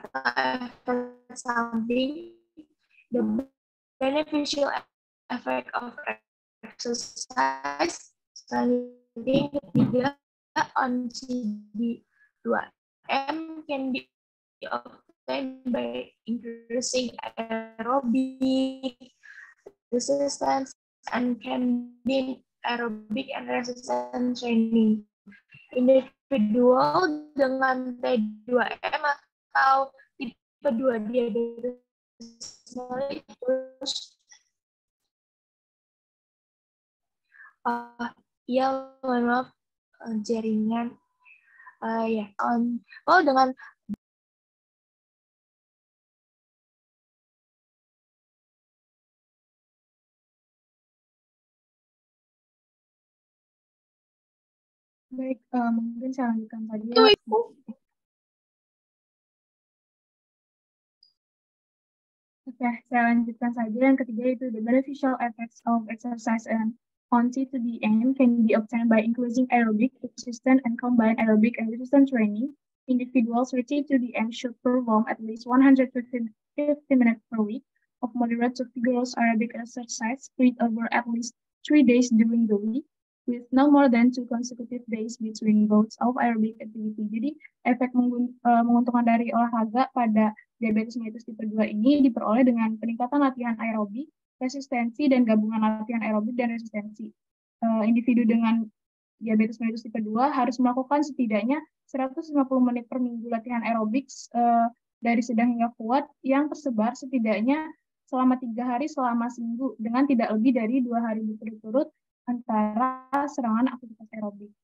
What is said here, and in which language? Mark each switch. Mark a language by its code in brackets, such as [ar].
[en] Effect something, the beneficial effect of exercise something ketiga on CD2M can be obtained by increasing aerobic resistance and can be aerobic and resistance training. [id] Individual dengan T2M atau tipe 2 diabetes mellitus ya, mohon maaf, jaringan ya, dengan baik, mungkin saya lanjutkan tadi. Itu ibu. Oke, saya lanjutkan saja. Yang ketiga itu, [en] the beneficial effects of exercise and on T2DM can be obtained by increasing aerobic resistance and combined aerobic and resistance training. Individuals with T2DM should perform at least 150 minutes per week of moderate to vigorous aerobic exercise spread over at least 3 days during the week, with no more than 2 consecutive days between bouts of aerobic activity. [id] Jadi efek menguntungkan dari olahraga pada diabetes mellitus tipe 2 ini diperoleh dengan peningkatan latihan aerobik, resistensi, dan gabungan latihan aerobik dan resistensi. Individu dengan diabetes mellitus tipe 2 harus melakukan setidaknya 150 menit per minggu latihan aerobik dari sedang hingga kuat yang tersebar setidaknya selama 3 hari selama seminggu dengan tidak lebih dari 2 hari berturut-turut antara serangan aktivitas aerobik.